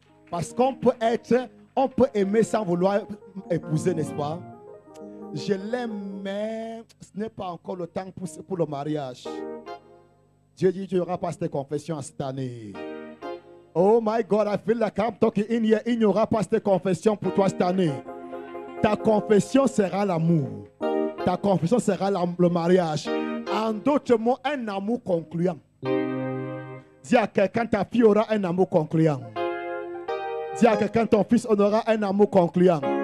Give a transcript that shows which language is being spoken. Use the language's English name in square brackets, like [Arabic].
[French] Parce qu'on peut être, on peut aimer sans vouloir épouser, n'est-ce pas? Je l'aime, mais ce n'est pas encore le temps pour le mariage. Dieu dit, tu n'auras pas cette confession cette année. [English] Oh my God, I feel like I'm talking in here. [French] Il n'y aura pas cette confession pour toi cette année. Ta confession sera l'amour. Ta confession sera le mariage. En d'autres mots, un amour concluant. Dis à quelqu'un, ta fille aura un amour concluant. Dis à quelqu'un, ton fils aura un amour concluant.